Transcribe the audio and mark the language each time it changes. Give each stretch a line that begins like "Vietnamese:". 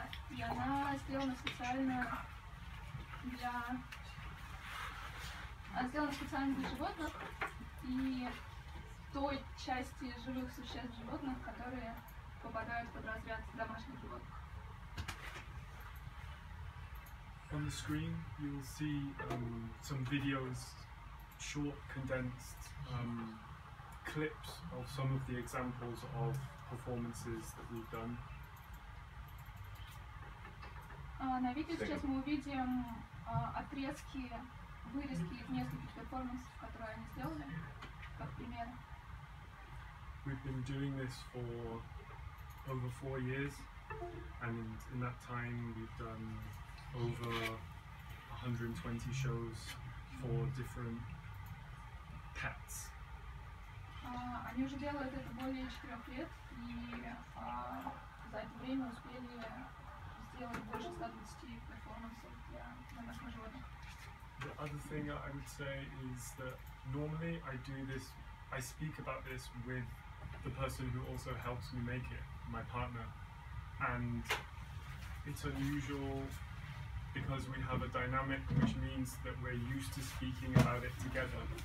Russian: И она сделана специально для... Она сделана специально для животных и той части живых существ животных, которые попадают под разряд домашних животных.
English: On the screen, you'll see some videos, short, condensed clips of some of the examples of performances that we've done.
Russian: На видео сейчас мы увидим отрезки, вырезки из нескольких перформансов, которые они сделали, как пример.
English: We've been doing this for over 4 years, and in that time we've done over 120 shows for different pets.
Russian: Они уже делают это более 4 лет, и за это время успели сделать больше 120 перформансов для домашних животных.
English: The other thing I would say is that normally I do this, I speak about this with the person who also helps me make it, my partner, and it's unusual because we have a dynamic which means that we're used to speaking about it together.